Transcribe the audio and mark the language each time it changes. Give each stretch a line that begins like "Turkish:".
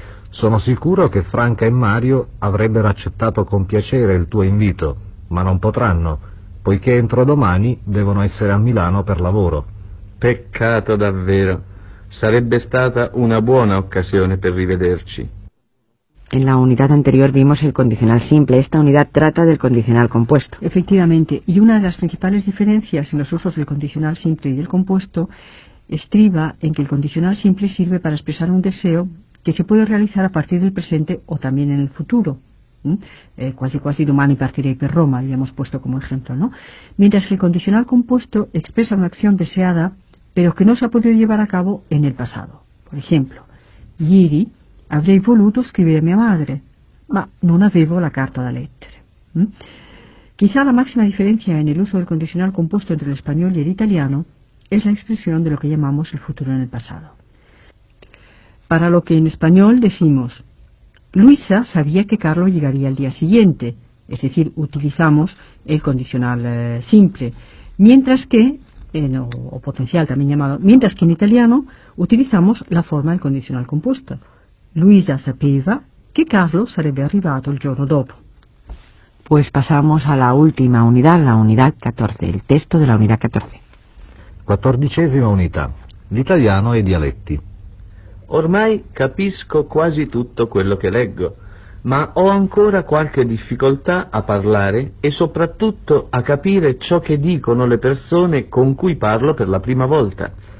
Italian: Sono sicuro che Franca e Mario avrebbero accettato con piacere il tuo invito, ma non potranno, poiché entro domani devono essere a Milano per lavoro. Peccato davvero. Sarebbe stata una buona occasione per rivederci.
Spanish: En la unidad anterior vimos el condicional simple. Esta unidad trata del condicional compuesto. Efectivamente, y una de las principales diferencias en los usos del condicional simple y del compuesto estriba en que el condicional simple sirve para expresar un deseo que se puede realizar a partir del presente o también en el futuro.
Italian: Cuasi domani partirei per Roma,
Spanish: ya hemos puesto como ejemplo, ¿no? Mientras que el condicional compuesto expresa una acción deseada, pero que no se ha podido llevar a cabo en el pasado. Por ejemplo,
Italian: ieri avrei voluto scrivere a mia madre, ma non avevo la carta da lettere.
Spanish: Quizá la máxima diferencia en el uso del condicional compuesto entre el español y el italiano es la expresión de lo que llamamos el futuro en el pasado. Para lo que en español decimos, Luisa sabía que Carlo llegaría el día siguiente, es decir, utilizamos el condicional simple, mientras que, o potencial también llamado, mientras que en italiano utilizamos la forma del condicional compuesto.
Italian: Luisa sapeva che Carlo sarebbe arrivato il giorno dopo.
Spanish: Pues pasamos a la última unidad, la unidad 14, el texto de la unidad 14.
Italian: Quattordicesima unità, l'italiano e i dialetti. Ormai capisco quasi tutto quello che leggo, ma ho ancora qualche difficoltà a parlare e soprattutto a capire ciò che dicono le persone con cui parlo per la prima volta.